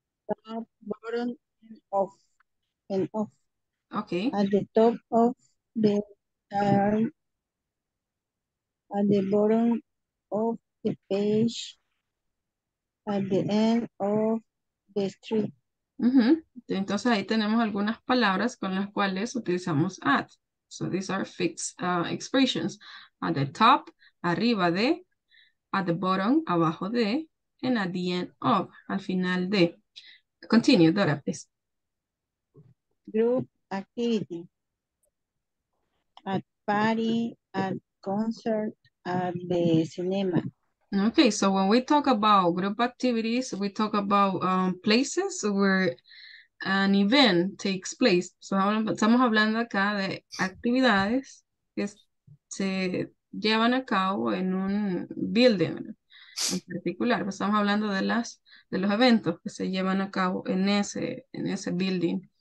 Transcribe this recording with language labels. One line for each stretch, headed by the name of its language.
English: Top, bottom, and off. End of. Okay. At the top of the at the bottom of the page, at the end of the street. Mm-hmm.
Spanish: Entonces ahí tenemos algunas palabras con las cuales utilizamos at.
English: So these are fixed expressions. At the top,
Spanish: arriba de,
English: at the bottom,
Spanish: abajo de,
English: and at the end of,
Spanish: al final de.
English: Continue, Dora, please. Group. Activity at party, at concert, at the cinema. Okay, so when we talk about group activities, we talk about places where an event takes place.
Spanish: So estamos hablando acá de actividades que se llevan a cabo en un building en particular. Estamos hablando de las de los eventos que se llevan a cabo en ese building.